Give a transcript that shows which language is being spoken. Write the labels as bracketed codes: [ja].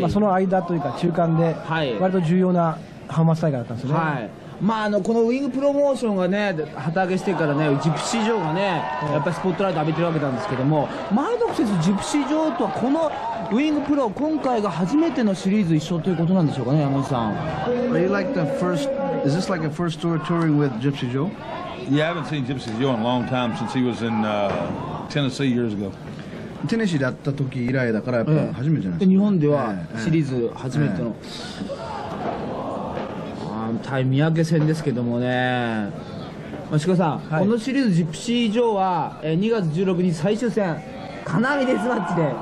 [ja] まあ、その間というか中間で割と重要な浜松大会だったんですね、はい。まあ、あのこのウイングプロモーションがね、旗揚げしてからね、ジプシー・ジョーがね、やっぱりスポットライト浴びてるわけなんですけども、前の季節ジプシー・ジョーとはこのウイングプロ、今回が初めてのシリーズ一緒ということなんでしょうかね、山本さん。 [en] Are you like the first, is this like a first tour touring with Gypsy Joe? Yeah, I haven't seen Gypsy Joe in a long time since he was in Tennessee years ago. [ja] テネシーだった時以来だから、やっぱ初めてじゃないですか。日本ではシリーズ初めての、対三宅戦ですけどもね、まあ、志賀さん、はい、このシリーズジプシー・ジョーは2月16日最終戦金網デスマッチで、